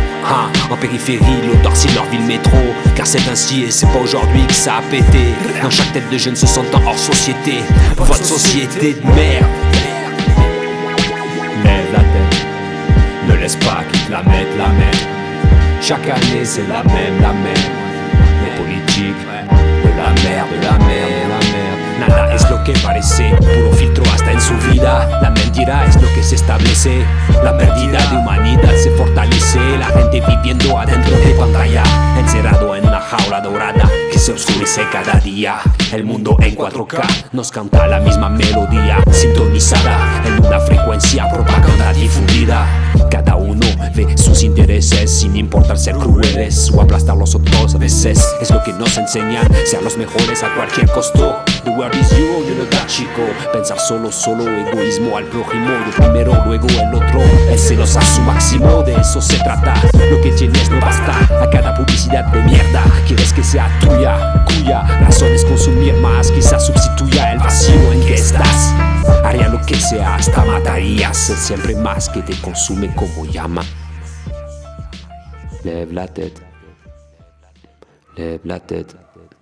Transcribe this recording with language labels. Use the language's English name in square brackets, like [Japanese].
[French] Hein, en périphérie, l'odeur c'est leur ville métro. Car c'est ainsi et c'est pas aujourd'hui que ça a pété. Dans chaque tête de jeunes se sentant hors société. Votre société de merde. Lève la tête, ne laisse pas qu'ils te la mettent la même. Chaque année c'est la même. Les politiques, de la merde, de la merde, de la merde. [Spanish] Nada es lo que parece, puro filtro hasta en su vida. La mentira es lo que se establece. La pérdida de humanidad se fortalece. La gente viviendo adentro de pantalla. Encerrado en una jaula dorada que se oscurece cada día. El mundo en 4K nos canta la misma melodía. Sintonizada en una frecuencia propaganda difundida. Cada uno ve sus intereses sin importar ser crueles o aplastar los otros a veces. Es lo que nos enseñan, ser los mejores a cualquier costo. [English] The world is you, you know that, chico. [Spanish] Pensar solo, solo, egoísmo al prójimo. Yo primero, luego el otro. El celos a su máximo, de eso se trata. Lo que tienes no basta. A cada publicidad de mierda quieres que sea tuya, cuya razón es consumir más. Quizás sustituya el vacío en que estás. Haría lo que sea, hasta mataría. Ser siempre más que te consume como llama. [French] Lève la tête. Lève la tête.